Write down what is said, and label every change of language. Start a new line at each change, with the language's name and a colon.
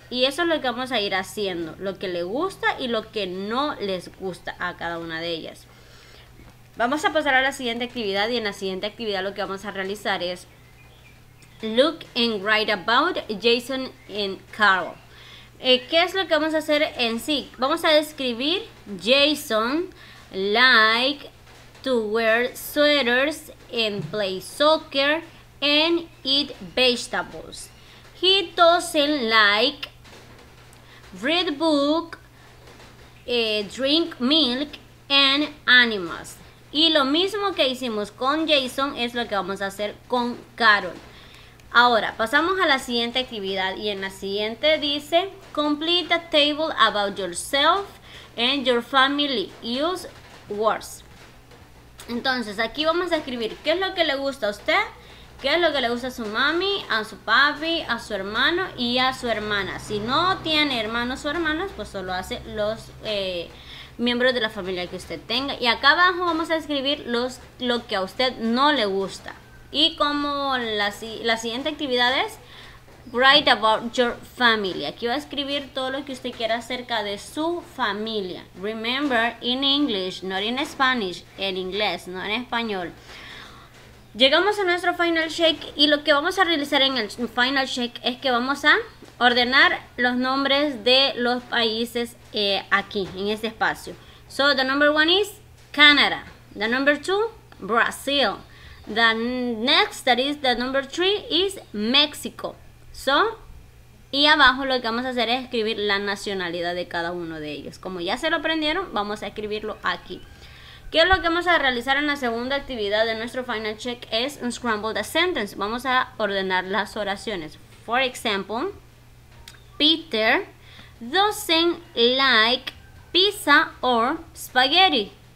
Spanish: Y eso es lo que vamos a ir haciendo, lo que le gusta y lo que no les gusta a cada una de ellas. Vamos a pasar a la siguiente actividad, y en la siguiente actividad lo que vamos a realizar es
English: Look and write about Jason and Carl.
Spanish: ¿Qué es lo que vamos a hacer en sí? Vamos a describir:
English: Jason like to wear sweaters and play soccer and eat vegetables. He doesn't like read book, drink milk, and animals.
Spanish: Y lo mismo que hicimos con Jason es lo que vamos a hacer con Carol. Ahora, pasamos a la siguiente actividad. Y en la siguiente dice,
English: complete a table about yourself and your family. Use words.
Spanish: Entonces, aquí vamos a escribir qué es lo que le gusta a usted. ¿Qué es lo que le gusta a su mami, a su papi, a su hermano y a su hermana? Si no tiene hermanos o hermanas, pues solo hace los miembros de la familia que usted tenga. Y acá abajo vamos a escribir lo que a usted no le gusta. Y como la siguiente actividad es
English: Write about your family.
Spanish: Aquí va a escribir todo lo que usted quiera acerca de su familia.
English: Remember, in English, not in Spanish.
Spanish: En inglés, no en español. Llegamos a nuestro final check, y lo que vamos a realizar en el final check es que vamos a ordenar los nombres de los países aquí, en este espacio.
English: So, the number one is Canada. The number two, Brazil. The next, that is the number three, is Mexico.
Spanish: So, y abajo lo que vamos a hacer es escribir la nacionalidad de cada uno de ellos. Como ya se lo aprendieron, vamos a escribirlo aquí. ¿Qué es lo que vamos a realizar en la segunda actividad de nuestro final check? Es
English: unscramble the sentence.
Spanish: Vamos a ordenar las oraciones.
English: For example, Peter doesn't like pizza or spaghetti.